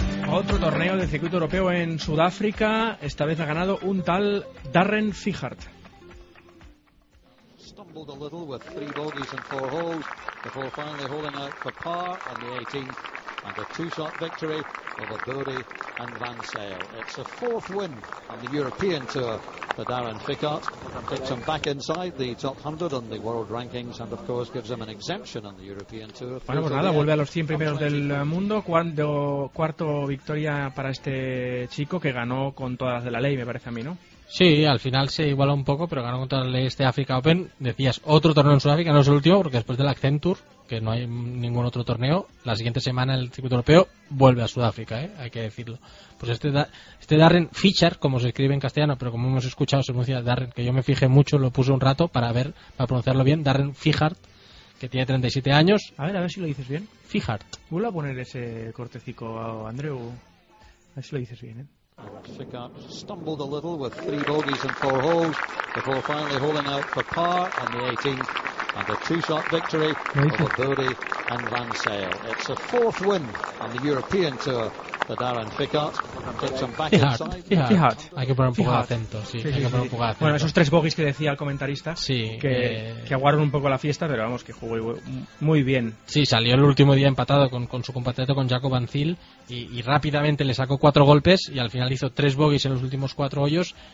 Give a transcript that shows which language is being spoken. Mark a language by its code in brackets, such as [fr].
[es] Otro torneo del circuito europeo en Sudáfrica. Esta vez ha ganado un tal Darren Fichard. [en] Stumbled a little with 3 bogeys and 4 holes before finally holding out for par on the 18th and a 2-shot victory over Bode and Van Sale. It's a 4th win on the European Tour for Darren Fichard. Takes him back inside the top 100 on the world rankings and of course gives him an exemption on the European Tour. [es] Bueno, pues nada, vuelve a los 100 primeros del mundo. Cuarto victoria para este chico que ganó con todas las de la ley, me parece a mí, ¿no? Sí, al final se igualó un poco, pero ganó contra la ley este Africa Open. Decías, otro torneo en Sudáfrica, no es el último, porque después del Accenture, que no hay ningún otro torneo, la siguiente semana el circuito europeo vuelve a Sudáfrica, hay que decirlo. Pues este Darren Fichard, como se escribe en castellano, pero como hemos escuchado, se pronuncia Darren, que yo me fijé mucho, lo puse un rato para pronunciarlo bien, Darren Fichard, que tiene 37 años. A ver si lo dices bien. Fichard. Vuelvo a poner ese cortecico a Andreu, a ver si lo dices bien, [en] Fichard stumbled a little with 3 bogeys and 4 holes before finally holding out for par on the 18th and a 2-shot victory over Bode and Van Sale. It's a 4th win on the European Tour for Darren Fichard. Takes him back inside. Fichard. [es] Hay que poner un poco de acento, sí. Hay que poner un poco de acento. Bueno, esos 3 bogeys que decía el comentarista, sí, que aguardaron un poco la fiesta, pero vamos, que jugó muy bien. Sí, salió el último día empatado con su compatriota, con Jacob Van Zyl. Y rápidamente le sacó 4 golpes y al final hizo 3 bogeys en los últimos 4 hoyos.